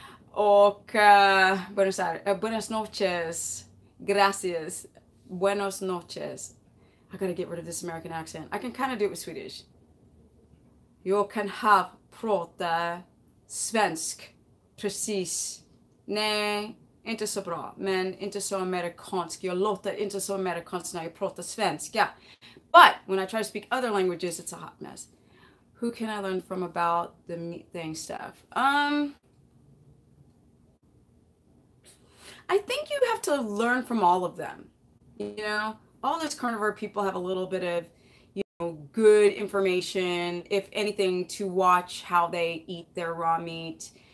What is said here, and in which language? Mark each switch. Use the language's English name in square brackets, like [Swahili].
[Swedish] Och [Spanish] buenos noches. Gracias. Buenos noches. [English] I gotta get rid of this American accent. I can kind of do it with Swedish. You can have [Swedish] prata svensk. Precis. Nej, inte så bra. Men inte så amerikansk. Jag låter inte så amerikansk när jag pratar svenska. [English] But when I try to speak other languages, it's a hot mess. Who can I learn from about the meat thing stuff? I think you have to learn from all of them. You know, all those carnivore people have a little bit of, you know, good information, if anything, to watch how they eat their raw meat.